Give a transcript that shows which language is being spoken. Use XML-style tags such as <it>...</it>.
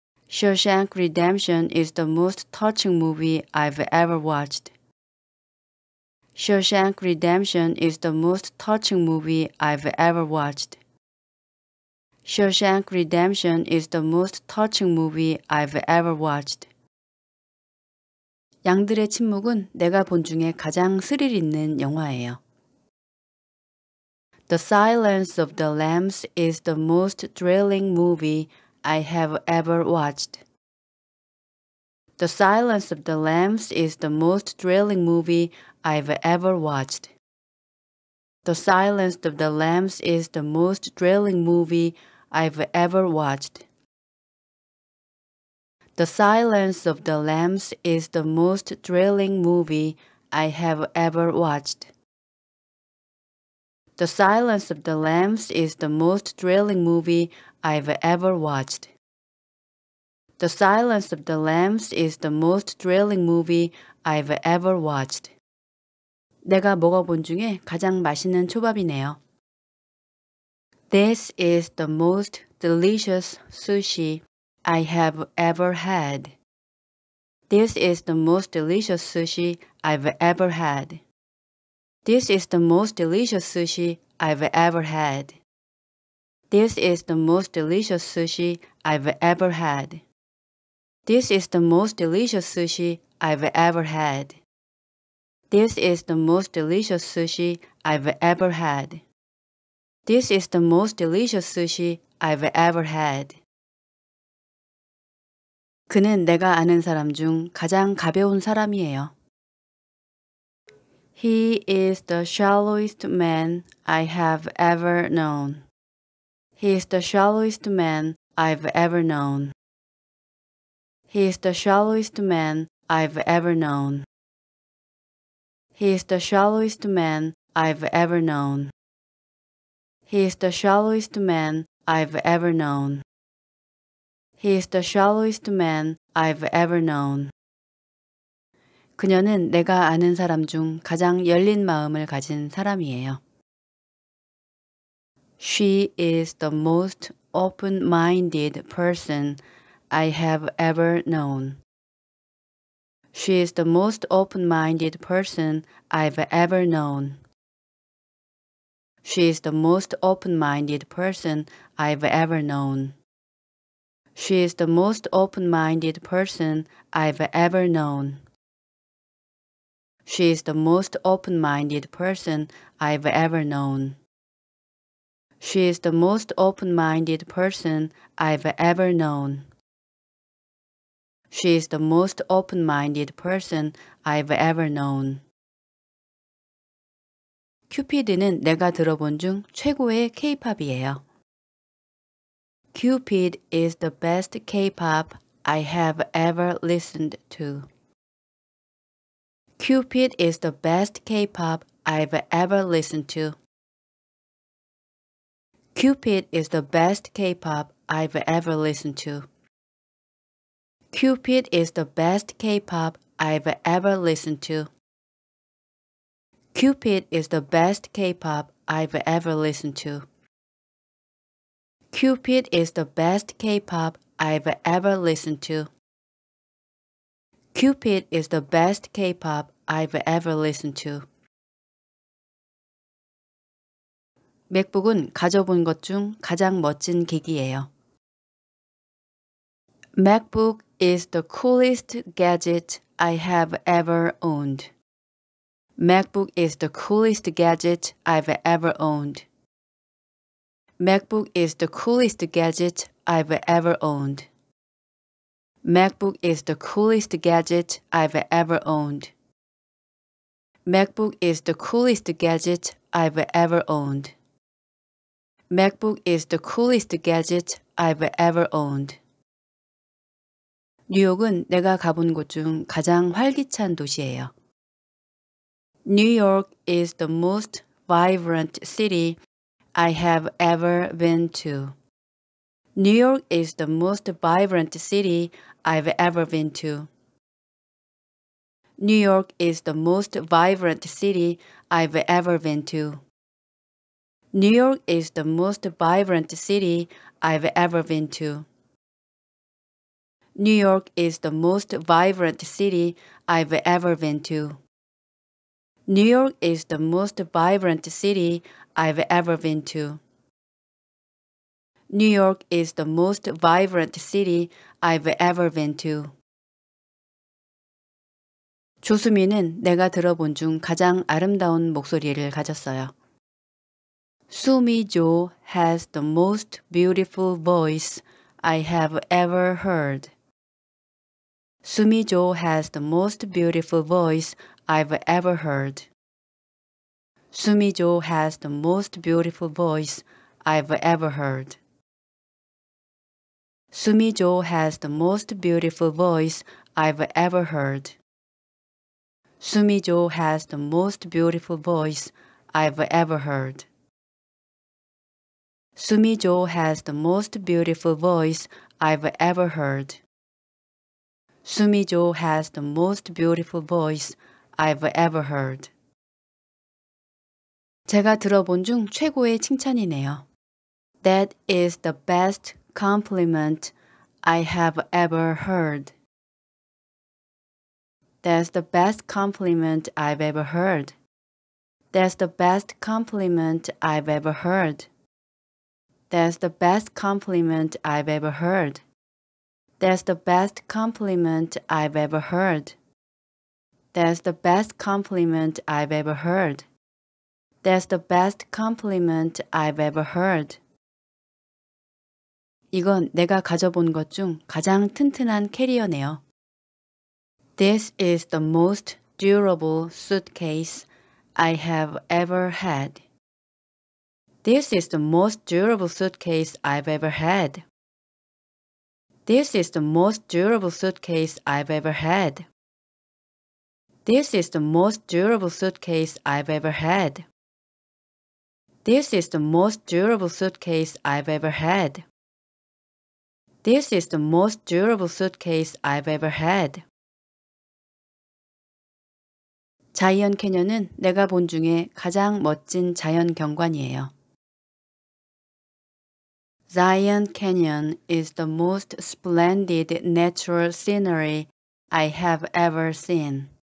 <en>Shawshank Redemption is the most touching movie I've ever watched. Shawshank Redemption is the most touching movie I've ever watched. Shawshank Redemption is the most touching movie I've ever watched.</en> <ko>양들의 침묵은 내가 본 중에 가장 스릴 있는 영화예요.</ko> <en>The Silence of the Lambs is the most thrilling movie I have ever watched. The Silence of the Lambs is the most thrilling movie I've ever watched. The Silence of the Lambs is the most thrilling movie I've ever watched. The Silence of the Lambs is the most thrilling movie I have ever watched. The Silence of the Lambs is the most thrilling movie I've ever watched. The Silence of the Lambs is the most thrilling movie I've ever watched.</en> <ko>내가 먹어본 중에 가장 맛있는 초밥이네요.</ko> <en>This is the most delicious sushi I have ever had. This is the most delicious sushi I've ever had. This is the most delicious sushi I've ever had. This is the most delicious sushi I've ever had. This is the most delicious sushi I've ever had. This is the most delicious sushi I've ever had. This is the most delicious sushi I've ever had.</en> <ko>그는 내가 아는 사람 중 가장 가벼운 사람이에요.</ko> <en>He is the shallowest man I have ever known. He is the shallowest man I've ever known. He is the shallowest man I've ever known. He is the shallowest man I've ever known. He is the shallowest man I've ever known. He is the shallowest man I've ever known.</en> <ko>그녀는 내가 아는 사람 중 가장 열린 마음을 가진 사람이에요.</ko> <en>She is the most open-minded person I have ever known. She is the most open-minded person I've ever known. She is the most open-minded person I've ever known. She is the most open-minded person I've ever known. She is the most open-minded person I've ever known. She is the most open-minded person I've ever known. She is the most open-minded person I've ever known.</en> <ko>큐피드는 내가 들어본 중 최고의 K-pop이에요.</ko> <en>Cupid is the best K-pop I have ever listened to. Cupid is the best K-pop I've ever listened to. Cupid is the best K-pop I've ever listened to. Cupid is the best K-pop I've ever listened to. Cupid is the best K-pop I've ever listened to. Cupid is the best K-pop I've ever listened to. Cupid is the best K-pop I've ever listened to.</en> <ko>맥북은 가져본 것 중 가장 멋진 기기예요.</ko> <en>MacBook is the coolest gadget I have ever owned. MacBook is the coolest gadget I've ever owned. MacBook is the coolest gadget I've ever owned. MacBook is the coolest gadget I've ever owned. MacBook is the coolest gadget I've ever owned. MacBook is the coolest gadget I've ever owned.</en> <ko>뉴욕은 내가 가본 곳 중 가장 활기찬 도시예요.</ko> <en>New York is the most vibrant city I have ever been to. New York is the most vibrant city I've ever been to. New York is the most vibrant city I've ever been to. New York is the most vibrant city I've ever been to. New York is the most vibrant city I've ever been to. New York is the most vibrant city I've ever been to. New York is the most vibrant city I've ever been to.</en> <ko>조수미는 내가 들어본 중 가장 아름다운 목소리를 가졌어요.</ko> <en>수미 조 has the most beautiful voice I have ever heard. 수미 조 has the most beautiful voice I've ever heard. 수미 조 has the most beautiful voice I've ever heard. 수미 조 has the most beautiful voice I've ever heard. 수미 조 has the most beautiful voice I've ever heard. 수미 조 has the most beautiful voice I've ever heard. 수미 조 has the most beautiful voice I've ever heard.</en> <ko>제가 들어본 중 최고의 칭찬이네요.</ko> <en>That is the best compliment I have ever heard. That's the best compliment I've ever heard. That's the best compliment I've ever heard. That's the best compliment I've ever heard. That's the best compliment I've ever heard. That's the best compliment I've ever heard. That's the best compliment I've ever heard.</en> <ko>이건 내가 가져본 것 중 가장 튼튼한 캐리어네요.</ko> <en>This is the most durable suitcase I have ever had. This is the most durable suitcase I've ever had. This is the most durable suitcase I've ever had. This is the most durable suitcase I've ever had. This is the most durable suitcase I've ever had. This is the most durable suitcase I've ever had.</en> <ko>자이언 캐년은 내가 본 중에 가장 멋진 자연 경관이에요.</ko> <en>Zion Canyon is the most splendid natural scenery I have ever seen.</en>